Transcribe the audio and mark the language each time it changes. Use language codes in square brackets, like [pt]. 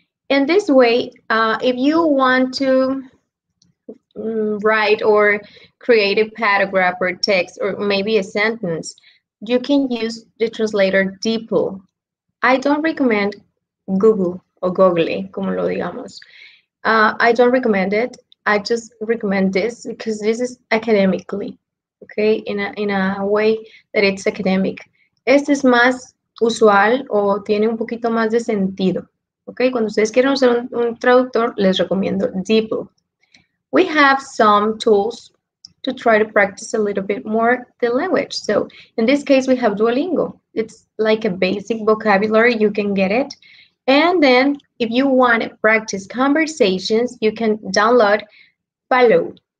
[en] In this way, if you want to write or create a paragraph or text or maybe a sentence, you can use the translator DeepL. I don't recommend Google or Google, [es] como lo digamos. [en] I don't recommend it. I just recommend this because this is academically, okay, in a way that it's academic. [es] Este es más usual o tiene un poquito más de sentido, okay? Cuando ustedes quieren usar un traductor, les recomiendo DeepL. [en] We have some tools to try to practice a little bit more the language. So in this case, we have Duolingo. It's like a basic vocabulary, you can get it. And then if you want to practice conversations, you can download Follow.